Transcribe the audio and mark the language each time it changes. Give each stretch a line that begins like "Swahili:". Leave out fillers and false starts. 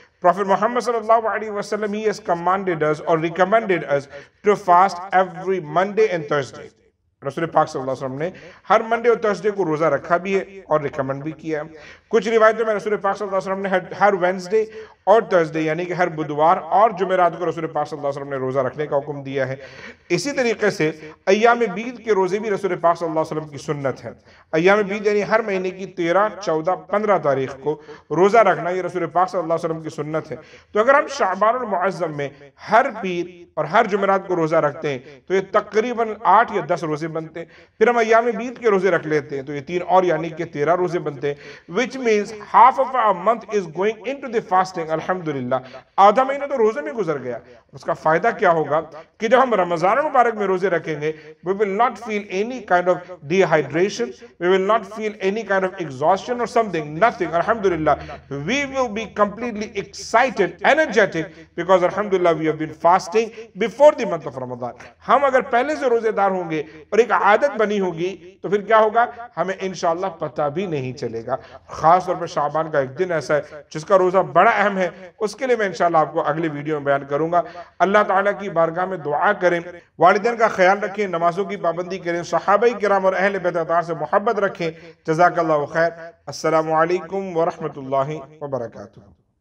English: Prophet Muhammad صلی اللہ علیہ وسلم, he has commanded us or recommended us to fast every Monday and Thursday.
Urdu: رسول پاک صلی اللہ علیہ وسلم نے ہر منڈے اور تھرسڈے کو روزہ رکھا بھی ہے اور ریکمینڈ بھی کیا ہے. کچھ روایتوں میں رسول پاک صلی اللہ علیہ وسلم نے ہر وینسڈے اور تھرسڈے, یعنی کہ ہر بدوار اور جمعرات کو رسول پاک صلی اللہ علیہ وسلم نے روزہ رکھنے کا حکم دیا ہے. اسی طریقے سے ایام بید کے روزے بھی رسول پاک صلی اللہ علیہ وسلم کی سنت ہے. ایام بید یعنی ہر مہینے کی 13, 14, 15 تاریخ کو روزہ رکھنا, یہ رسول پاک صلی اللہ علیہ وسلم کی سنت ہے. تو اگر ہم شعبان المعظم میں ہر پیر اور ہر جمعرات کو روزہ رکھتے ہیں تو یہ تقریباً 8 یا 10 روزے بنتے ہیں. پھر ہم ایام بیت کے روزے رکھ لیتے ہیں تو یہ 3 اور, یعنی کہ 13 روزے بنتے ہیں,
English: which means half of our month is going into the fasting.
Urdu: الحمدللہ آدھا مہینہ تو روزے میں گزر گیا. اس کا فائدہ کیا ہوگا کہ جب ہم رمضان مبارک میں روزے رکھیں گے,
English: we will not feel any kind of dehydration, we will not feel any kind of exhaustion or something, nothing.
Urdu: الحمدللہ
English: we will be completely excited, energetic, because الحمدللہ we have been fasting before the month of Ramadan.
Urdu: ہم اگر پہلے سے روزے دار ہوں گے اور ایک عادت بنی ہوگی تو پھر کیا ہوگا, ہمیں انشاءاللہ پتہ بھی نہیں چلے گا. خاص طور پر شعبان کا ایک دن ایسا ہے جس کا روزہ بڑا اہم ہے, اس کے لیے میں انشاءاللہ آپ کو اگلے ویڈیو میں بیان کروں گا. اللہ تعالیٰ کی بارگاہ میں دعا کریں, والدین کا خیال رکھیں, نمازوں کی پابندی کریں, صحابہ کرام اور اہل بیت اطہار سے محبت رکھیں. جزاک اللہ خیر. السلام علیکم ورحمۃ اللہ وبرکاتہ.